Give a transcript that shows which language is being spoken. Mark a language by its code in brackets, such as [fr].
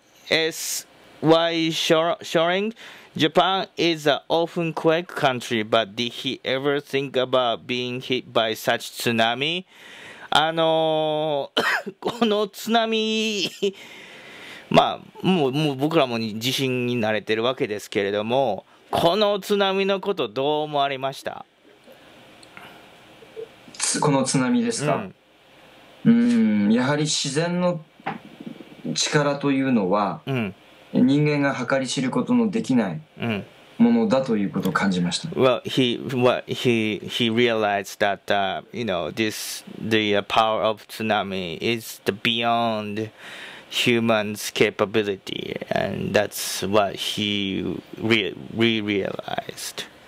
[en] S.Y. Shoring, Japan is an often quake country, but did he ever think about being hit by such tsunami? [ja] この津波まあもう僕らも地震に慣れてるわけですけれども、この津波のことどう思われました？この津波ですか、やはり自然の力というのは、人間が計り知ることのできないものだということを感じました。 [en] Well, he realized that, you know, this, the power of tsunami is the beyond human's capability, and that's what he realized.